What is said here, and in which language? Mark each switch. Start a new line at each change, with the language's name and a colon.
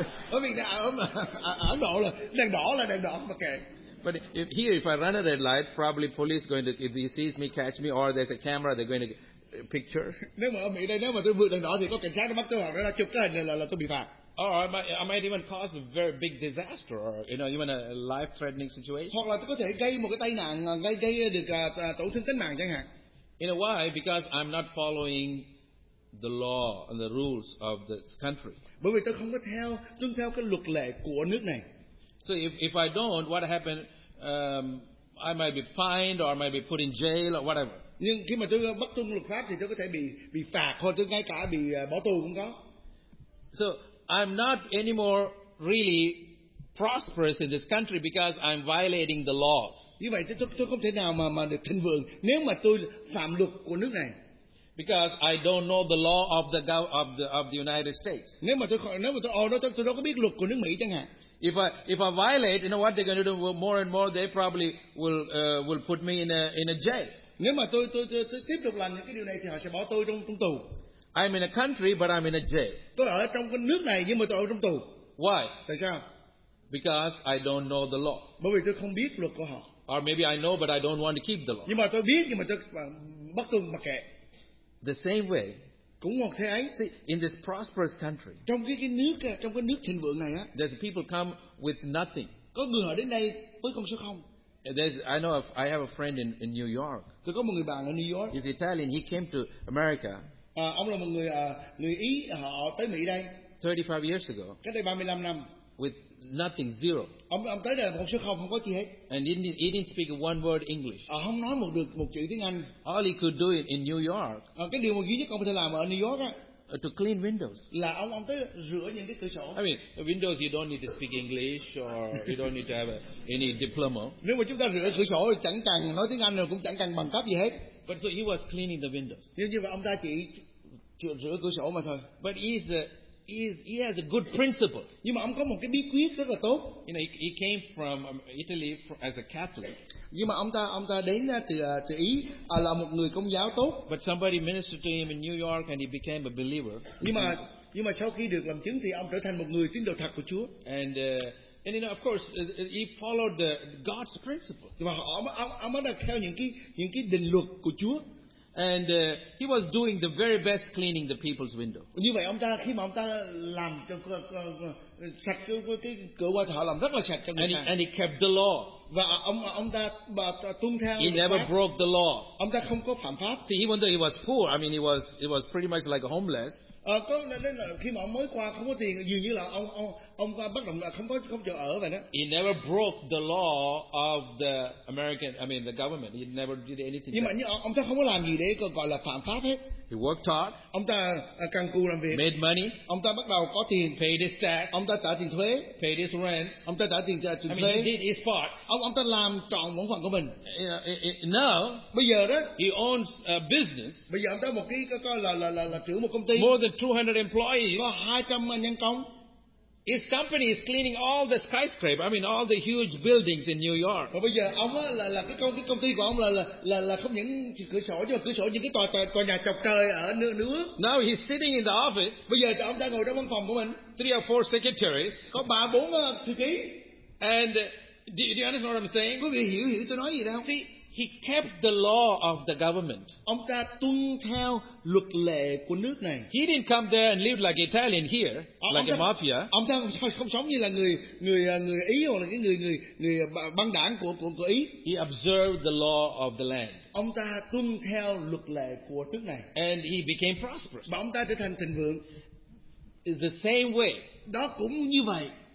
Vietnamese: Ở Việt Nam, Ấn Độ là đèn đỏ mà kệ.
English: But if I run a red light, probably police going to if he sees me, catch me, or there's a camera, they're going to get a picture.
Vietnamese: Nếu mà ở Mỹ đây, nếu mà tôi vượt đèn đỏ thì có cảnh sát nó bắt tôi hoặc là chụp cái hình là tôi bị phạt.
English: Or I might even cause a very big disaster, or you know, even a life-threatening situation.
Vietnamese: Hoặc là tôi có thể gây một cái tai nạn, gây được tổn thương tính mạng chẳng hạn.
English: You know why? Because I'm not following the law and the rules of this country.
Vietnamese: Bởi vì tôi không có tuân theo cái luật lệ của nước này.
English: So if I don't, what happened? I might be fined, or I might be put in jail, or whatever.
Vietnamese: Nhưng khi mà tôi bất tuân luật pháp thì tôi có thể bị phạt hoặc tôi ngay cả bị bỏ tù cũng có.
English: So I'm not anymore really prosperous in this country because I'm violating the laws.
Vietnamese: Như vậy thì tôi không thể nào mà được thịnh vượng nếu mà tôi phạm luật của nước này.
English: Because I don't know the law of the United States.
Vietnamese: Nếu mà tôi đâu có biết luật của nước Mỹ chẳng hạn.
English: If I violate, you know what they're going to do? Well, more and more, they probably will put me in a jail.
Vietnamese: Nếu mà tôi tiếp tục làm những cái điều này thì họ sẽ bỏ tôi trong tù.
English: I'm in a country, but I'm in a jail.
Vietnamese: Tôi ở trong cái nước này nhưng mà tôi ở trong tù.
English: Why?
Vietnamese: Tại sao?
English: Because I don't know the law.
Vietnamese: Bởi vì tôi không biết luật của họ.
English: Or maybe I know, but I don't want to keep the law.
Vietnamese: Nhưng mà tôi biết nhưng mà tôi bắt tôi mặc kệ.
English: The same way.
Vietnamese: Cũng một thế ấy.
English: See, in this prosperous country.
Vietnamese: Trong cái nước thịnh vượng này á.
English: There's people come with nothing.
Vietnamese: Có người họ đến đây với con số không.
English: I have a friend in New York.
Vietnamese: Tôi có một người bạn ở New York.
English: He's Italian. He came to America.
Vietnamese: Ông là một người Ý, họ tới Mỹ đây.
English: 35 years ago.
Vietnamese: Cách đây 35 năm.
English: With nothing, zero.
Vietnamese: Ông tới đây là một số không, không có gì hết.
English: And he didn't speak one word English.
Vietnamese: Không nói một chữ tiếng Anh.
English: All he could do in New York.
Vietnamese: Cái điều duy nhất ông có thể làm ở New York á.
English: To clean windows.
Vietnamese: Là ông tới rửa những cái cửa sổ.
English: I mean, windows you don't need to speak English or you don't need to have any diploma.
Vietnamese: Nếu mà chúng ta rửa cửa sổ thì chẳng cần nói tiếng Anh rồi cũng chẳng cần bằng cấp gì hết.
English: But so he was cleaning the windows.
Vietnamese: Nhưng như vậy ông ta chỉ rửa cửa sổ mà thôi.
English: But he has a good principle.
Vietnamese: Nhưng mà ông có một cái bí quyết rất là tốt.
English: You know, he came from Italy as a Catholic.
Vietnamese: Nhưng mà ông ta đến từ Ý là một người Công giáo tốt.
English: But somebody ministered to him in New York and he became a believer.
Vietnamese: Nhưng mà sau khi được làm chứng thì ông trở thành một người tín đồ thật của Chúa.
English: And you know, of course, he followed the God's principle.
Vietnamese: Nhưng mà ông đã theo những cái định luật của Chúa.
English: And he was doing the very best cleaning the people's window.
Vietnamese: Như vậy ông ta khi mà ông ta làm cho sạch cái cửa qua thì họ làm rất là sạch cho người ta.
English: And he kept the law.
Vietnamese: Và ông ta tuân theo.
English: He never broke the law.
Vietnamese: Ông ta không có phạm pháp.
English: See, even though he was poor, I mean, he was pretty much like a homeless.
Vietnamese: Có nên là khi mà ông mới qua không có tiền, dường như là ông qua bất động là không chỗ ở vậy đó.
English: He never broke the law of the American, I mean the government. He never did anything.
Vietnamese: Nhưng mà ông ta không có làm gì để gọi là phạm pháp hết.
English: He worked hard.
Vietnamese: Ông ta cần cù làm việc.
English: Made money.
Vietnamese: Ông ta bắt đầu có tiền.
English: Paid his tax.
Vietnamese: Ông ta trả tiền thuế.
English: Paid his rent.
Vietnamese: Ông ta trả tiền cho thuế.
English: I mean, he did his part.
Vietnamese: Ông ta làm trọn bổn phận của mình.
English: Now,
Vietnamese: bây giờ đó,
English: he owns a business.
Vietnamese: Bây giờ ông ta một cái coi là chủ một công ty.
English: More than 200 employees.
Vietnamese: Có 200 nhân công.
English: His company is cleaning all the skyscraper. I mean, all the huge buildings in New York.
Vietnamese: Và bây giờ ông là cái công ty của ông là không những cửa sổ nhưng mà cửa sổ những cái tòa nhà chọc trời ở nước.
English: Now he's sitting in the office.
Vietnamese: Bây giờ ông đang ngồi trong văn phòng của mình.
English: 3 or 4 secretaries.
Vietnamese: Có 3-4 thư ký.
English: And do you understand what I'm saying?
Vietnamese: Có người hiểu tôi nói gì đâu?
English: See, he kept the law of the government.
Vietnamese: Ông ta tuân theo luật lệ của nước này.
English: He didn't come there and live like Italian here, like a mafia.
Vietnamese: Ông ta không sống như là người Ý hoặc là cái người băng đảng của Ý.
English: He observed the law of the land.
Vietnamese: Ông ta tuân theo luật lệ của nước này.
English: And he became prosperous.
Vietnamese: Và ông ta trở thành thịnh vượng.
English: It's the same way.
Vietnamese: Đó cũng như vậy.